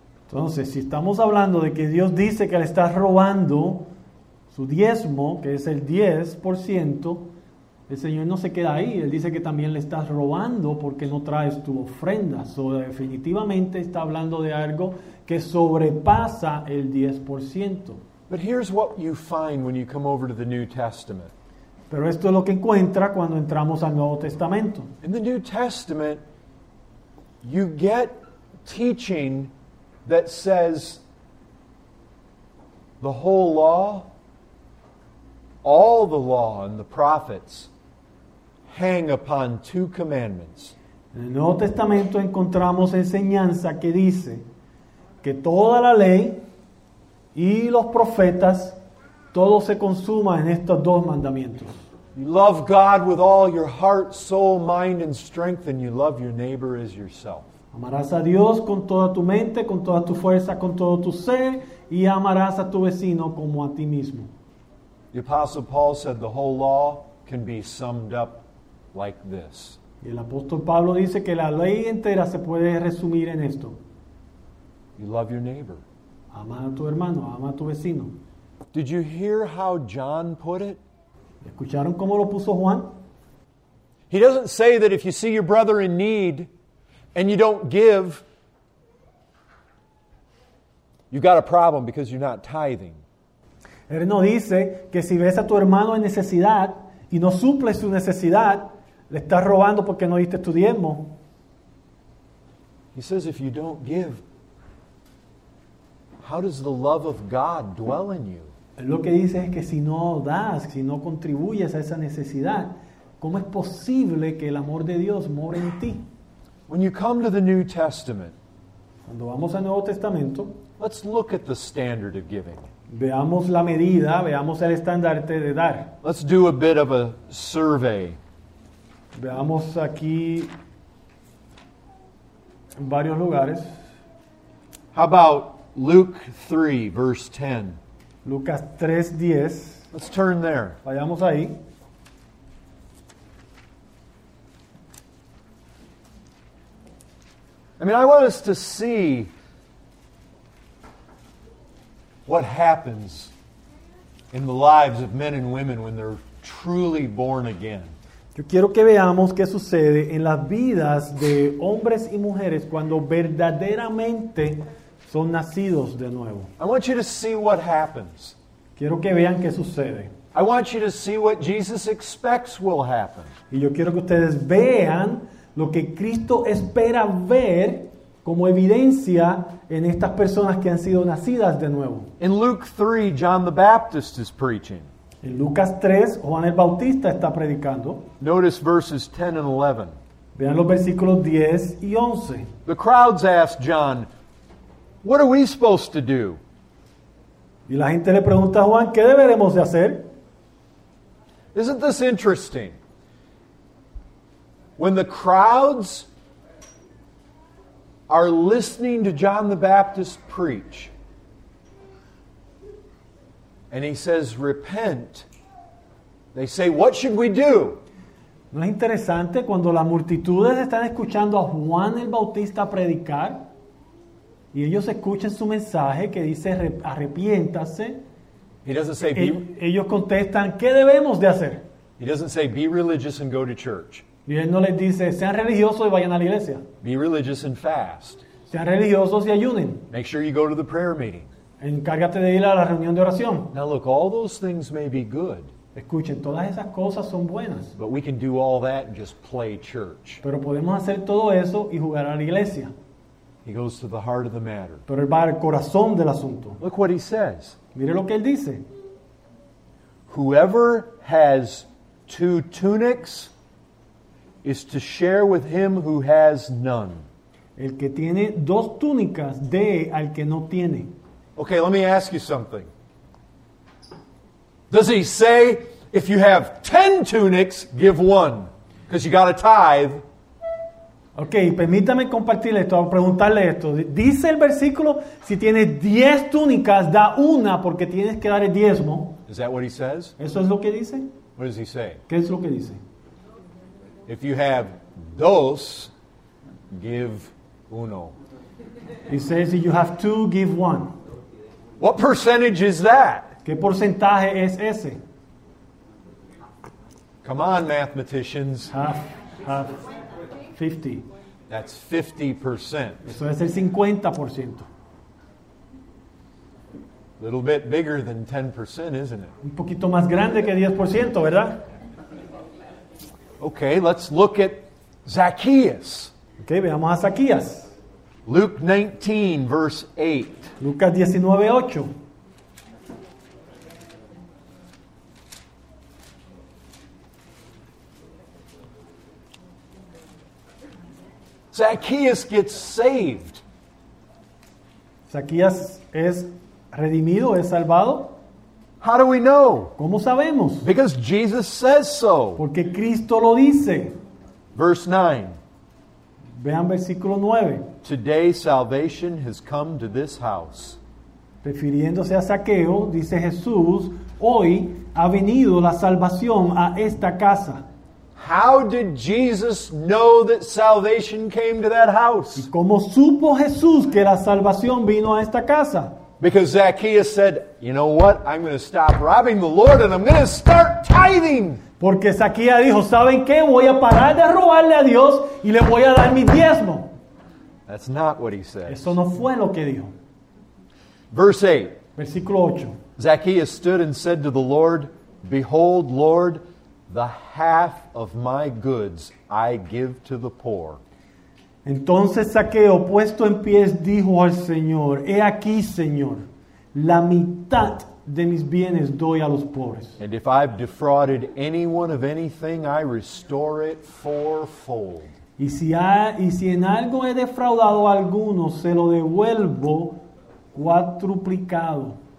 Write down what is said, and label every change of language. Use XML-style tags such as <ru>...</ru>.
<es>Entonces, si estamos hablando de que Dios dice que le estás robando su diezmo, que es el 10%, el Señor no se queda ahí. Él dice que también le estás robando porque no traes tu ofrenda. So, definitivamente está hablando de algo que sobrepasa el 10%.</es> <en>But here's what you find when you come over to the New Testament.</en> <es>Pero esto es lo que encuentra cuando entramos al Nuevo Testamento.</es> <en>In the New Testament, you get teaching that says the whole law, all the law and the prophets hang upon two commandments.</en> <es>En el Nuevo Testamento encontramos enseñanza que dice que toda la ley y los profetas, todo se consuma en estos dos mandamientos.</es> <en>Love God with all your heart, soul, mind, and strength, and you love your neighbor as yourself.</en> <es>Amarás a Dios con toda tu mente, con toda tu fuerza, con todo tu ser, y amarás a tu vecino como a ti mismo.</es> <en>The Apostle Paul said the whole law can be summed up like this.</en> <es>Y el apóstol Pablo dice que la ley entera se puede resumir en esto.</es> <en>You love your neighbor.</en> <es>Ama a tu hermano, ama a tu vecino.</es> <en>Did you hear how John put it?</en> <es>¿Escucharon cómo lo puso Juan?</es> <en>He doesn't say that if you see your brother in need and you don't give, you've got a problem because you're not tithing.</en> <es>Él no dice que si ves a tu hermano en necesidad y no suples su necesidad, le estás robando porque no diste tu diezmo.</es> <en>He says if you don't give, how does the love of God dwell in you?</en> <es>Lo que dice es que si no das, si no contribuyes a esa necesidad, ¿cómo es posible que el amor de Dios more en ti?</es> <en>When you come to the New Testament,</en> <es>cuando vamos al Nuevo Testamento,</es> <en>let's look at the standard of giving.</en> <es>Veamos la medida, veamos el estandarte de dar.</es> <en>Let's do a bit of a survey.</en> <es>Veamos aquí en varios lugares.</es> <en>How about Luke 3, verse 10?</en> <es>Lucas 3:10.</es> <en>Let's turn there.</en> <es>Vayamos ahí.</es> <en>I mean, I want us to see what happens in the lives of men and women when they're truly born again.</en> <es>Yo quiero que veamos qué sucede en las vidas de hombres y mujeres cuando verdaderamente son nacidos de nuevo.</es> <en>I want you to see what happens.</en> <es>Quiero que vean qué sucede.</es> <en>I want you to see what Jesus expects will happen.</en> <es>Y yo quiero que ustedes vean lo que Cristo espera ver como evidencia en estas personas que han sido nacidas de nuevo.</es> <en>In Luke 3, John the Baptist is preaching.</en> <es>En Lucas 3, Juan el Bautista está predicando.</es> <en>Notice verses 10 and 11.</en> <es>Vean los versículos 10 y 11.</es> <en>The crowds asked John, what are we supposed to do?</en> <es>Y la gente le pregunta a Juan, ¿qué deberemos de hacer?</es> <en>Isn't this interesting? When the crowds are listening to John the Baptist preach, and he says, repent, they say, what should we do?</en> <es>¿No es interesante cuando las multitudes están escuchando a Juan el Bautista predicar? Y ellos escuchan su mensaje que dice, arrepiéntase.</es> <en>He doesn't say,</en> <es>ellos contestan, ¿qué debemos de hacer?</es> <en>He doesn't say, be religious and go to church.</en> <es>Y él no les dice, sean religiosos y vayan a la iglesia.</es> <en>Be religious and fast.</en> <es>Sean religiosos y ayunen.</es> <en>Make sure you go to the prayer meeting.</en> <es>Encárgate de ir a la reunión de oración.</es> <en>Now look, all those things may be good.</en> <es>Escuchen, todas esas cosas son buenas.</es> <en>But we can do all that and just play church.</en> <es>Pero podemos hacer todo eso y jugar a la iglesia.</es> <en>He goes to the heart of the matter.</en> <es>Pero él va al corazón del asunto.</es> <en>Look what he says.</en> <es>Mire lo que él dice.</es> <en>Whoever has two tunics is to share with him who has none.</en> <es>El que tiene dos túnicas dé al que no tiene.</es> <en>Okay, let me ask you something. Does he say if you have 10 tunics, give one? Because you got a tithe.</en> <es>Ok, permítame compartirle esto, preguntarle esto. Dice el versículo, si tienes 10 túnicas, da una porque tienes que dar el diezmo.</es> <en>Is that what he says?</en> <es>¿Eso es lo que dice?</es> <en>What does he say?</en> <es>¿Qué es lo que dice?</es> <en>If you have</en> <es>dos,</es> <en>give</en> <es>uno.</es> <en>He says, if you have two, give one. What percentage is that?</en> <es>¿Qué porcentaje es ese?</es> <en>Come on, mathematicians. Half. 50. That's 50%.</en> <es>Eso es el 50%.</es> <en>A little bit bigger than 10%, isn't it?</en> <es>Un poquito más grande que 10%, ¿verdad?</es> <en>Okay, let's look at Zacchaeus.</en> <es>Okay, veamos a Zacchaeus.</es> <en>Luke 19, verse 8.</en> <es>Lucas 19, 8.</es> <en>Zacchaeus gets saved.</en> <es>Zacchaeus es redimido, es salvado.</es> <en>How do we know?</en> <es>¿Cómo sabemos?</es> <en>Because Jesus says so.</en> <es>Porque Cristo lo dice.</es> <en>Verse 9.</en> <es>Vean versículo 9.</es> <en>Today salvation has come to this house.</en> <es>Refiriéndose a Zaqueo, dice Jesús, hoy ha venido la salvación a esta casa.</es> <en>How did Jesus know that salvation came to that house?</en> <es>¿Y cómo supo Jesús que la salvación vino a esta casa?</es> <en>Because Zacchaeus said, you know what? I'm going to stop robbing the Lord and I'm going to start tithing.</en> <es>Porque Zacchaeus dijo, ¿saben qué? Voy a parar de robarle a Dios y le voy a dar mi diezmo.</es> <en>That's not what he said.</en> <es>Eso no fue lo que dijo.</es> <en>Verse 8.</en> <es>Versículo 8.</es> <en>Zacchaeus stood and said to the Lord, behold, Lord, the half of my goods I give to the poor.</en> <es>Entonces Zaqueo, puesto en pie, dijo al Señor, he aquí, Señor, la mitad de mis bienes doy a los pobres.</es> <en>And if I've defrauded anyone of anything, I restore it fourfold.</en> <es>Y si en algo he defraudado a alguno, se lo devuelvo cuatruplicado.</es>